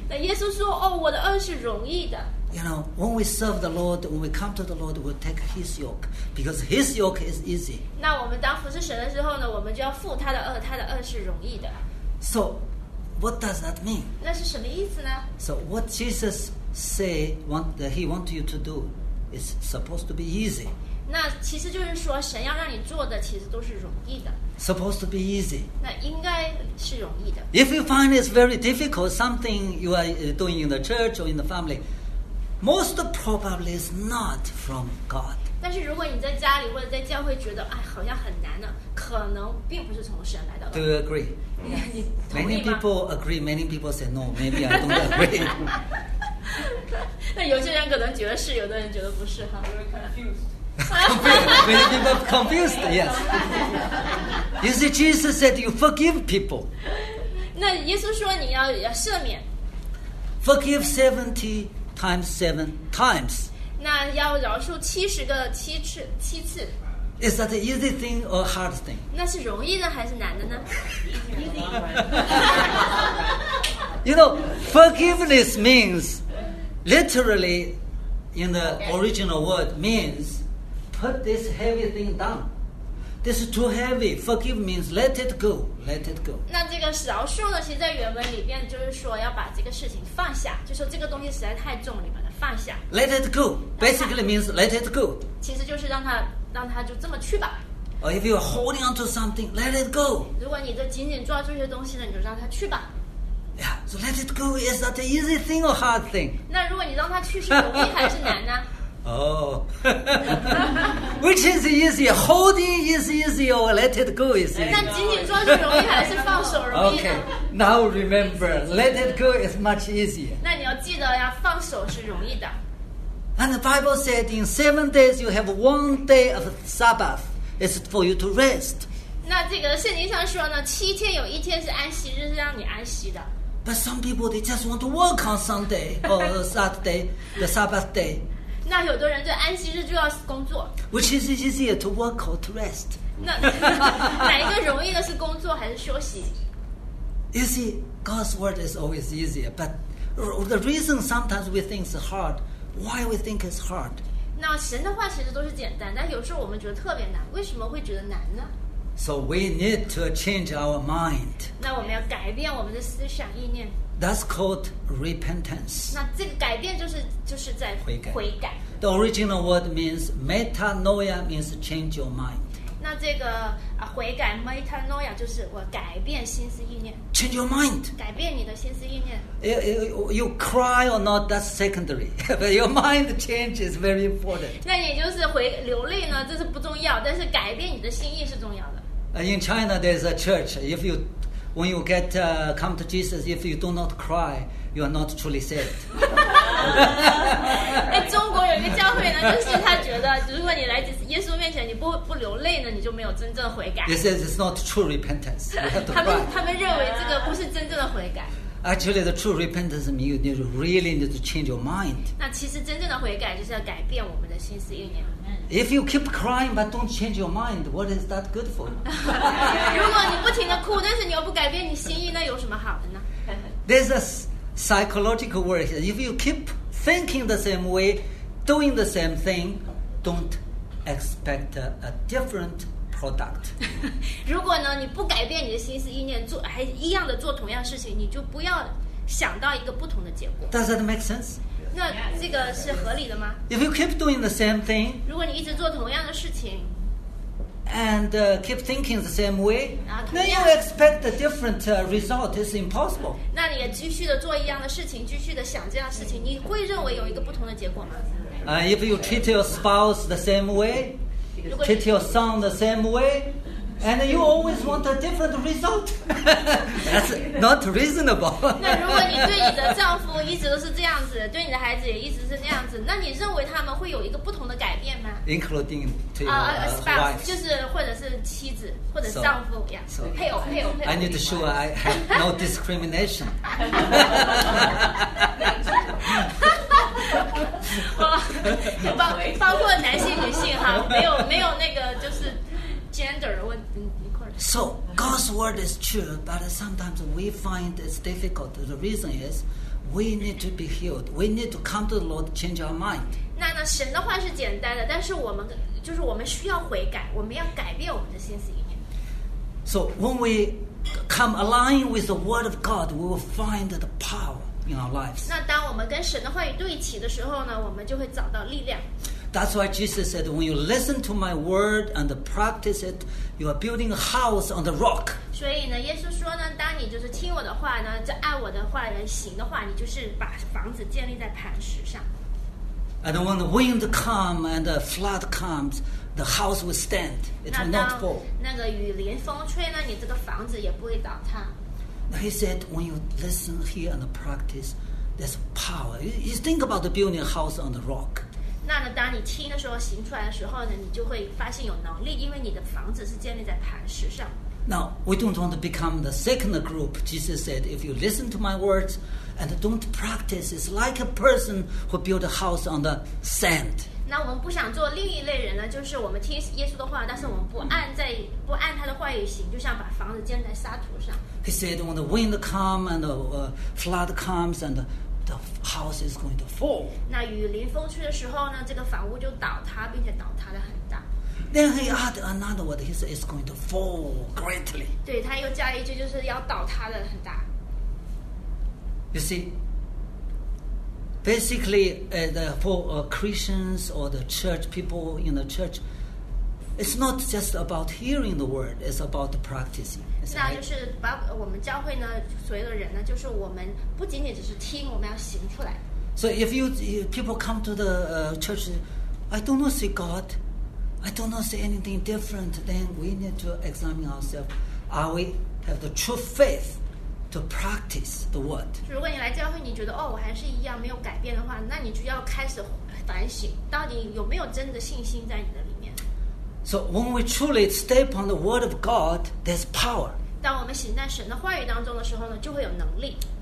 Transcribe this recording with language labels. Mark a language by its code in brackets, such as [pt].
[zh] 那耶稣说，哦，我的轭是容易的。 [en] You know, when we serve the Lord, when we come to the Lord, we'll take His yoke because His yoke is easy. [zh] 那我们当服侍神的时候呢，我们就要负他的轭，他的轭是容易的。 [en] So, what does that mean? [zh] 那是什么意思呢？ [en] So, what Jesus say want that He want you to do is supposed to be easy. [zh] 那其实就是说，神要让你做的其实都是容易的。 [en] Supposed to be easy. [zh] 那应该是容易的。 [en] If you find it's very difficult, something you are doing in the church or in the family. Most probably is not from God. [zh] 但是如果你在家里或者在教会觉得哎好像很难呢，可能并不是从神来的。 [en] Do you agree? [zh] 你同意吗？ [en] Many people agree. Many people say no. Maybe I don't agree. [zh] 那有些人可能觉得是，有的人觉得不是哈。 [en] Confused. Many people confused. Yes. You see, Jesus said, "You forgive people." [zh] 那耶稣说你要赦免。 [en] Forgive 70. Times seven times. [zh] 那要饶恕70个7次。 [en] Is that an easy thing or a hard thing? [zh] 那是容易的还是难的呢？ [en] You know, forgiveness means, literally, in the original word, means put this heavy thing down. This is too heavy. Forgive means let it go. Let it go. [zh] 那这个饶恕呢？其实在原文里边就是说要把这个事情放下，就说这个东西实在太重，你把它放下。 [en] Let it go. Basically means let it go. [zh] 其实就是让它就这么去吧。 [en] Or if you are holding on to something, let it go. [zh] 如果你就紧紧抓住一些东西呢，你就让它去吧。 [en] Yeah. So let it go. Is that an easy thing or hard thing? [zh] 那如果你让它去是容易还是难呢？ [en] Oh, which is easy? Holding is easy, or let it go is easy. [zh] 那紧紧抓住容易还是放手容易 [en] ？Okay, now remember, let it go is much easier. [zh] 那你要记得呀，放手是容易的。 [en] And the Bible said, in 7 days you have 1 day of Sabbath, is for you to rest. [zh] 那这个圣经上说呢，7天有1天是安息日，是让你安息的。 [en] But some people they just want to work on Sunday or Saturday, the Sabbath day. [zh] 那有的人对安息日就要工作 [en] ，Which is easier to work or to rest？ [zh] 那哪一个容易的是工作还是休息 [en] ？You see, God's word is always easier, but the reason sometimes we think it's hard, why we think it's hard？ [zh] 那神的话其实都是简单，但有时候我们觉得特别难，为什么会觉得难呢 [en] ？So we need to change our mind. [zh] 那我们要改变我们的思想意念。 [en] That's called repentance. [zh] 那这个改变就是在悔改。悔改。 [en] The original word means metanoia, means change your mind. [zh] 那这个悔改 metanoia 就是我改变心思意念。 [en] Change your mind. [zh] 改变你的心思意念。 [en] You cry or not, that's secondary. But your mind change is very important. [zh] 那也就是流泪呢，这是不重要，但是改变你的心意是重要的。 [en] In China, there's a church. If you When you get come to Jesus, if you do not cry, you are not truly saved. [zh] 哎，中国有一个教会呢，就是他觉得，如果你来耶稣面前，你不流泪呢，你就没有真正悔改。 [en] This is not true repentance. They [zh] 认为这个不是真正的悔改。 [en] Actually, the true repentance means you need to really need to change your mind. [zh] 那其实真正的悔改就是要改变我们的心思意念。 [en] If you keep crying but don't change your mind, what is that good for? [zh] 如果你不停地哭，但是你又不改变你心意，那有什么好的呢？ [en] There's a psychological word here. If you keep thinking the same way, doing the same thing, don't expect a different product. [zh] 如果呢，你不改变你的心思意念，做还一样的做同样事情，你就不要想到一个不同的结果。 [en] Does that make sense? [zh] 那这个是合理的吗 [en] ？If you keep doing the same thing， [zh] 如果你一直做同样的事情 [en] ，and keep thinking the same way， [zh] 啊，那 [en] you expect a different result is impossible。 [zh] 那你也继续的做一样的事情，继续的想这样的事情，你会认为有一个不同的结果吗 [en] ？If you treat your spouse the same way， treat your son the same way。 And you always want a different result. That's not reasonable. [zh] 那如果你对你的丈夫一直都是这样子，对你的孩子也一直是那样子，那你认为他们会有一个不同的改变吗 [en] ？Including to [zh] spouse, 就是或者是妻子或者丈夫呀，配偶配偶配偶。 [en] I need to show I have no discrimination. [zh] 包括男性女性哈，没有那个就是。 [en] gender equality. So God's word is true, but sometimes we find it's difficult. The reason is we need to be healed. We need to come to the Lord, change our mind. [zh] 那神的话是简单的，但是我们就是我们需要悔改，我们要改变我们的心思意念。 [en] So when we come aligned with the word of God, we will find the power in our lives. [zh] 那当我们跟神的话语对齐的时候呢，我们就会找到力量。 [en] That's why Jesus said, when you listen to my word and practice it, you are building a house on the rock. [zh] 所以呢，耶稣说呢，当你就是听我的话呢，就按我的话来行的话，你就是把房子建立在磐石上。 [en] And when the wind comes and the flood comes, the house will stand. It will not fall. [zh] 那个雨淋风吹呢，你这个房子也不会倒塌。 [en] He said, when you listen here and practice, there's power. You think about the building a house on the rock. [zh] 那呢，当你听的时候，行出来的时候呢，你就会发现有能力，因为你的房子是建立在磐石上。 [en] Now, we don't want to become the second group. Jesus said, if you listen to my words and don't practice, it's like a person who built a house on the sand. [zh] 那我们不想做另一类人呢，就是我们听耶稣的话，但是我们不按他的话语行，就像把房子建在沙土上。 [en] He said, when the wind comes and the flood comes and the house is going to fall. [zh] 那雨淋风吹的时候呢，这个房屋就倒塌，并且倒塌得很大。 [en] Then he added another word. He said, "It's going to fall greatly." [zh] 对，他又加一句，就是要倒塌的很大。 [en] You see, basically, for Christians or the church people in the church, it's not just about hearing the word; it's about practicing. [zh] 那就是把我们教会呢，所有的人呢，就是我们不仅仅只是听，我们要行出来。 [en] So if people come to the church, I do not see God. I do not see anything different. Then we need to examine ourselves. Are we have the true faith to practice the word? [zh] 如果你来教会，你觉得哦，我还是一样没有改变的话，那你就要开始反省，到底有没有真的信心在你的里面。 [en] So when we truly stay upon the word of God, there's power. [zh] 当我们行在神的话语当中的时候呢，就会有能力。